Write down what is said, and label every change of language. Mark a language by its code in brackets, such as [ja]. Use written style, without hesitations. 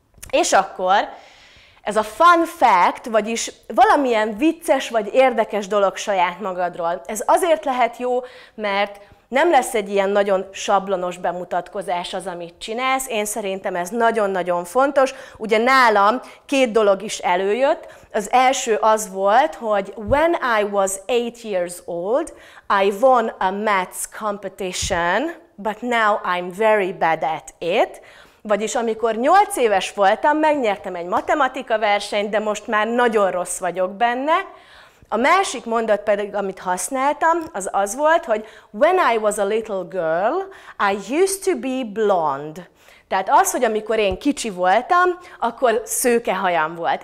[hu] És akkor ez a fun fact, vagyis valamilyen vicces vagy érdekes dolog saját magadról, ez azért lehet jó, mert nem lesz egy ilyen nagyon sablonos bemutatkozás az, amit csinálsz. Én szerintem ez nagyon-nagyon fontos. Ugye nálam két dolog is előjött. Az első az volt, hogy [en] when I was 8 years old, I won a maths competition, but now I'm very bad at it. [hu] Vagyis amikor 8 éves voltam, megnyertem egy matematika versenyt, de most már nagyon rossz vagyok benne. A másik mondat pedig, amit használtam, az az volt, hogy [en] when I was a little girl, I used to be blonde. [hu] Tehát az, hogy amikor én kicsi voltam, akkor szőke hajam volt.